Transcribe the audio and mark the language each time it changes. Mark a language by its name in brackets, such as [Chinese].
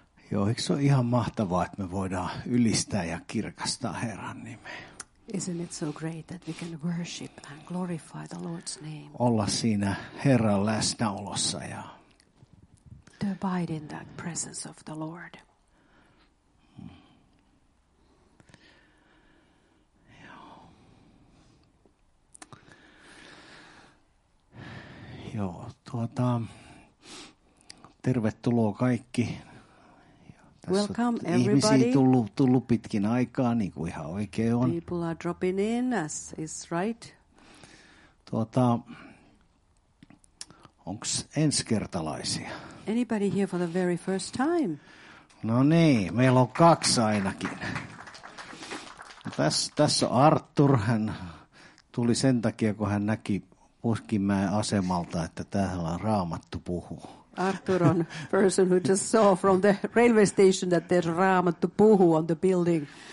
[Finnish] Joo, eikö se ole ihan mahtavaa, että me voidaan ylistää ja kirkastaa Herran nimeä? [English] Isn't it so great that we can worship and glorify the Lord's name? [Finnish] Olla siinä Herran läsnäolossa ja... [English] To abide in that presence of the Lord. [Finnish] Joo, tervetuloa kaikki. [English] Welcome [Finnish] ihmisiä [English] everybody. [Finnish] Ihmisiä tullut pitkin aikaa, niin kuin ihan oikein on. [English] People are dropping in, as is right. [Finnish] Onko ensikertalaisia? [English] Anybody here for the very first time? [Finnish] No niin, meillä on kaksi ainakin. Tässä on Arthur, hän tuli sen takia, kun hän näki Puskinmäen asemalta, että täällä on Raamattu puhuu. [English] Arthur on person who just saw from the railway station that there's Raamattu puhuu on the building.